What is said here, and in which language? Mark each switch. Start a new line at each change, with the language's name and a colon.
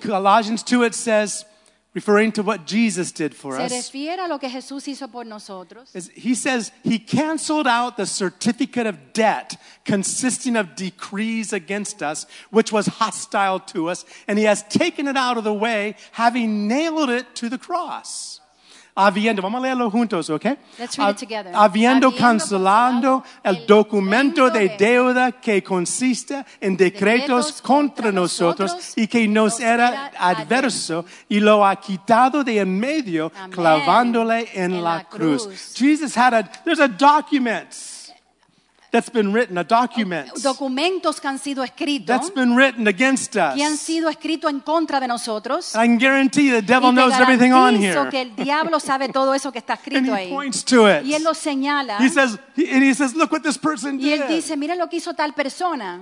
English: Colossians 2 it says, referring to what Jesus did for
Spanish: se
English: us.
Spanish: Se refiere a lo que Jesús hizo por nosotros.
English: He says he canceled out the certificate of debt consisting of decrees against us, which was hostile to us, and he has taken it out of the way, having nailed it to the cross.
Spanish: Habiendo, vamos a leerlo juntos, ¿ok?
English: Let's read it together.
Spanish: Habiendo cancelado el documento de deuda que consiste en decretos contra nosotros y que nos era adverso, y lo ha quitado de en medio, clavándole en la cruz.
English: Jesus had there's a document. That's been written, a document.
Spanish: Documentos que han sido escritos.
English: That's been written against us.
Spanish: Que han sido escritos en contra de nosotros.
English: I can guarantee you the devil knows everything on here.
Spanish: Y garantizo que el diablo sabe todo eso que está escrito ahí.
English: And he points to it.
Spanish: Y él lo señala.
English: He says, look what this person did.
Spanish: Y él dice, mira lo que hizo tal persona.